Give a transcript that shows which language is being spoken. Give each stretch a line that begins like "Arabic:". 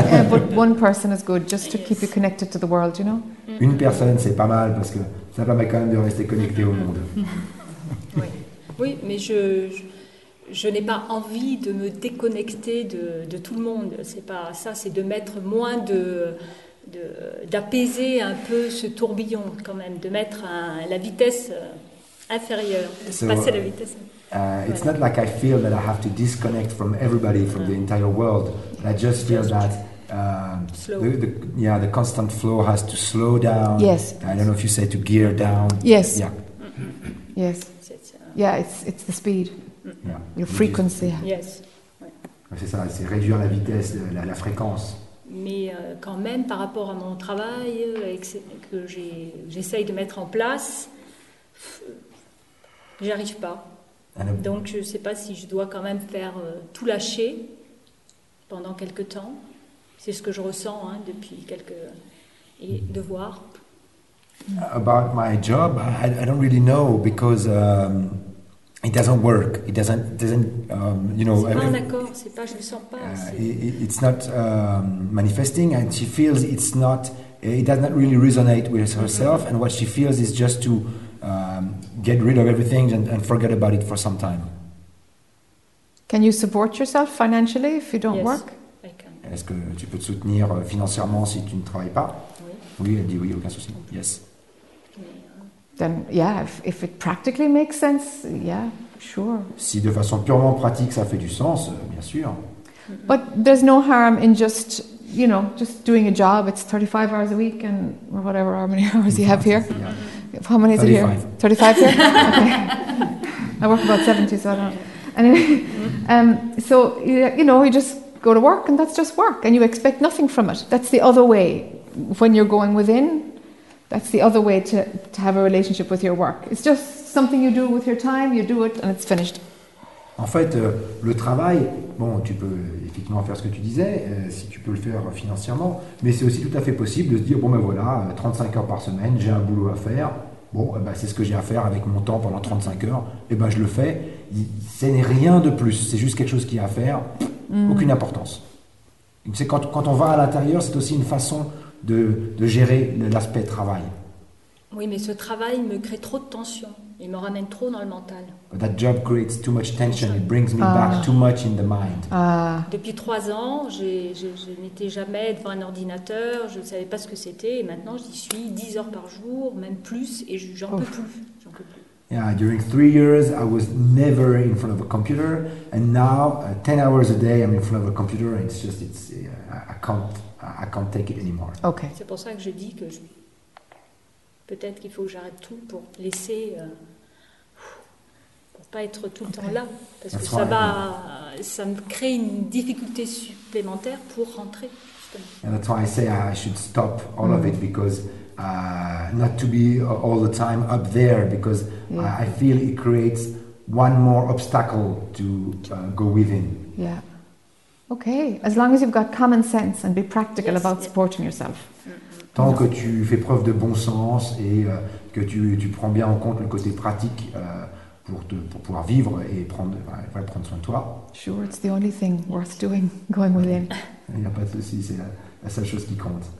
English: But one person is good, just to keep you connected to the world, you know.
French: Une personne, c'est pas mal parce que ça permet quand même de rester connecté au monde. Oui, mais je n'ai pas envie de me déconnecter de tout le monde. C'est pas ça, c'est de mettre moins d'apaiser un peu ce tourbillon quand même, de mettre la vitesse inférieure, de passer la vitesse.
English: It's not like I feel that I have to disconnect from everybody, from the entire world. I just feel that the constant flow has to slow down. Yes. I don't know if you say to gear down. Yes. Yeah. Yes. Yeah, it's the speed. Yeah. Your frequency. Yes.
French: Ouais. C'est ça, c'est réduire la vitesse, la fréquence. Mais quand même, par rapport à mon travail que j'essaye de mettre en place, j'y arrive pas. Donc je ne sais pas si je dois quand même faire tout lâcher pendant quelques temps. C'est ce que je ressens hein, depuis quelques et de voir.
English: About my job, I don't really know because it doesn't work. It doesn't you know.
French: C'est pas un accord. C'est pas. Je le sens pas.
English: It's not manifesting, and she feels it's not. It does not really resonate with herself, and what she feels is just to. Get rid of everything and forget about it for some time. Can you support yourself financially if you don't yes, work? I can.
French: Est-ce que tu peux te soutenir financièrement si tu ne travailles pas? Oui. Oui, elle dit oui, aucun souci.
English: Okay. Yes. Then, yeah, if it practically makes sense, yeah, sure.
French: Si de façon purement pratique ça fait du sens, bien sûr.
English: But there's no harm in just, you know, just doing a job. It's 35 hours a week and whatever, how many hours you have here. Yeah. How many is 35. It here? 35 here? Okay. I work about 70, so I don't know. Anyway, so, you know, you just go to work and that's just work and you expect nothing from it. That's the other way. When you're going within, that's the other way to have a relationship with your work. It's just something you do with your time, you do it and it's finished.
French: En fait, le travail, bon, tu peux effectivement faire ce que tu disais, si tu peux le faire financièrement, mais c'est aussi tout à fait possible de se dire, bon ben voilà, 35 heures par semaine, j'ai un boulot à faire, bon, ben, c'est ce que j'ai à faire avec mon temps pendant 35 heures, et ben je le fais, ce n'est rien de plus, c'est juste quelque chose qu'il y a à faire, aucune importance. C'est quand on va à l'intérieur, c'est aussi une façon de gérer l'aspect travail. Oui, mais ce travail me crée trop de tension. Il me ramène trop dans le mental.
English: But that job creates too much tension. It brings me back too much in the mind.
French: Depuis 3 ans, je n'étais jamais devant un ordinateur. Je ne savais pas ce que c'était. Et maintenant, j'y suis 10 heures par jour, même plus. Et j'en peux plus.
English: Yeah, during 3 years, I was never in front of a computer. And now, 10 hours a day, I'm in front of a computer. And it's just, I can't take it anymore. Okay.
French: C'est pour ça que je dis que je... Peut-être qu'il faut que j'arrête tout pour laisser, pour pas être tout le temps là, parce que ça me crée une difficulté supplémentaire pour rentrer.
English: And that's why I say I should stop all of it, because not to be all the time up there, because I feel it creates one more obstacle to go within. Yeah. Okay. As long as you've got common sense and be practical about supporting yourself.
French: Tant que tu fais preuve de bon sens et que tu prends bien en compte le côté pratique pour pouvoir vivre et prendre soin de toi.
English: Sure, it's the only thing worth doing, going within.
French: Il n'y a pas de souci, c'est la seule chose qui compte.